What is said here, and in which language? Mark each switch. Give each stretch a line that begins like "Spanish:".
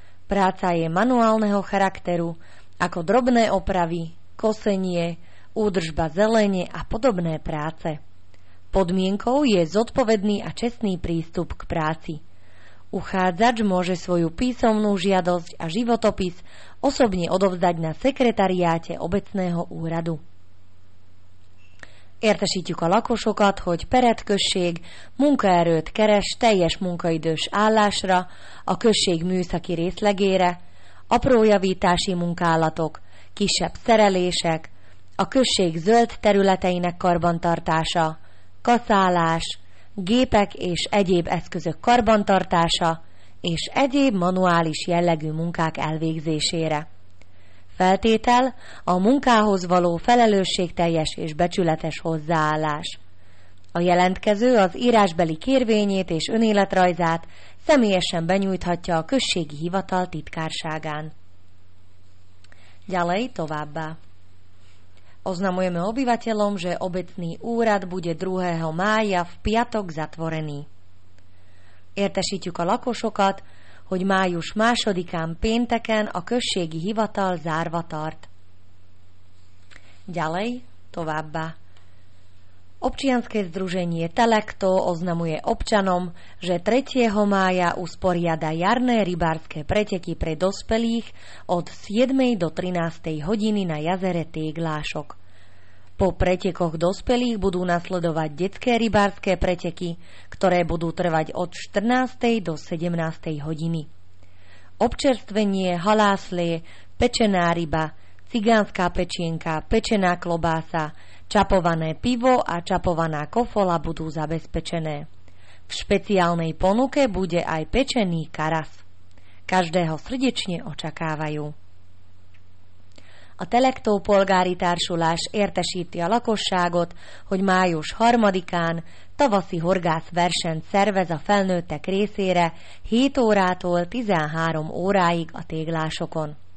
Slovak: Práca je manuálneho charakteru, ako drobné opravy, kosenie, údržba zelene a podobné práce. Podmienkou je zodpovedný a čestný prístup k práci. Uchádzač môže svoju písomnú žiadosť a životopis osobne odovzdať na sekretariáte obecného úradu.
Hungarian: Értesítjük a lakosokat, hogy peretközség munkaerőt keres teljes munkaidős állásra a község műszaki részlegére, aprójavítási munkálatok, kisebb szerelések, a község zöld területeinek karbantartása, kaszálás, gépek és egyéb eszközök karbantartása és egyéb manuális jellegű munkák elvégzésére. Feltétel a munkához való felelősségteljes és becsületes hozzáállás. A jelentkező az írásbeli kérvényét és önéletrajzát személyesen benyújthatja a községi hivatal titkárságán.
Slovak: Ďalej
Hungarian: továbbá.
Slovak: Oznamujeme obyvateľom, že obecný úrad bude 2. mája v piatok zatvorený.
Hungarian: Értesítjük a lakosokat, hogy május 2-án pénteken a községi hivatal zárva tart.
Slovak: Ďalej
Hungarian: továbbá.
Slovak: Občianske združenie Telekto oznamuje občanom, že 3. mája usporiada jarné rybárske preteky pre dospelých od 7. do 13. hodiny na jazere Téglások. Po pretekoch dospelých budú nasledovať detské rybárske preteky, ktoré budú trvať od 14. do 17. hodiny. Občerstvenie, haláslie, pečená ryba, cigánska pečienka, pečená klobása, čapované pivo a čapovaná kofola budú zabezpečené. V špeciálnej ponuke bude aj pečený karas. Každého srdečne očakávajú.
Hungarian: A Telektó polgári társulás értesíti a lakosságot, hogy május 3-án tavaszi horgászversenyt szervez a felnőttek részére 7 órától 13 óráig a téglásokon.